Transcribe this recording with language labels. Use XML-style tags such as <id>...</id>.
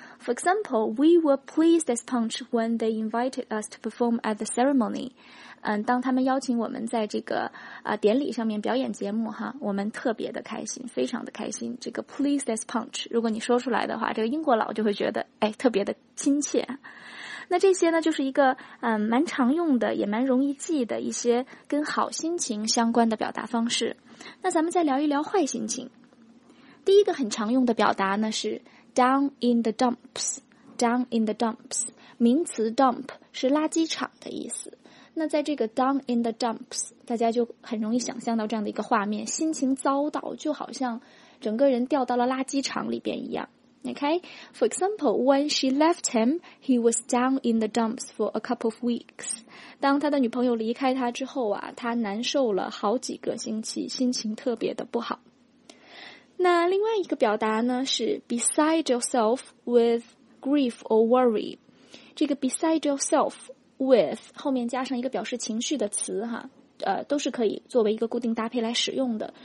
<en>For example, we were pleased as punch when they invited us to perform at the ceremony。</en> <zh>当他们邀请我们在这个典礼上面表演节目哈，我们特别的开心，非常的开心。这个 pleased as punch 如果你说出来的话，这个英国佬就会觉得哎，特别的亲切。那这些呢就是一个蛮常用的也蛮容易记的一些跟好心情相关的表达方式。那咱们再聊一聊坏心情。第一个很常用的表达呢是 down in the dumps。 down in the dumps，名词 dump 是垃圾场的意思。那在这个 down in the dumps，大家就很容易想象到这样的一个画面，心情糟到就好像整个人掉到了垃圾场里边一样。</zh> <en>Okay, for example, when she left him, he was down in the dumps for a couple of weeks.</en> <zh>当他的女朋友离开他之后啊，他难受了好几个星期，心情特别的不好。那另外一个表达呢，是 beside yourself with grief or worry. 这个 beside yourself with 后面加上一个表示情绪的词哈，都是可以作为一个固定搭配来使用的。</zh>